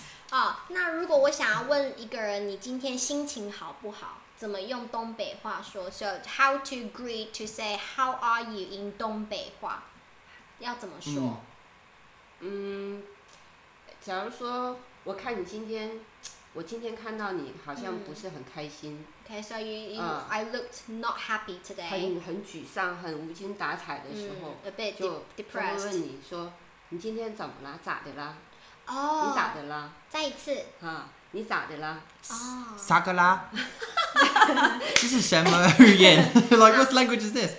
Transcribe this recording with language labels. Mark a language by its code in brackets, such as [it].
[zh] 哦，那如果我想要问一个人，你今天心情好不好？怎么用东北话说 [en] ？So how to greet to say how are you in 东北话？ [zh] 要怎么说？假如说我看你今天，我今天看到你好像不是很开心。 [en] Okay, so you I looked not happy today. [zh] 很沮丧，很无精打采的时候，就 [en] depressed. [zh] 就会问你说，你今天怎么啦？咋的啦？哦，你咋的啦？再一次。啊，你咋的啦？哦，啥个啦？这是什么语言？ [en] Like what language is this？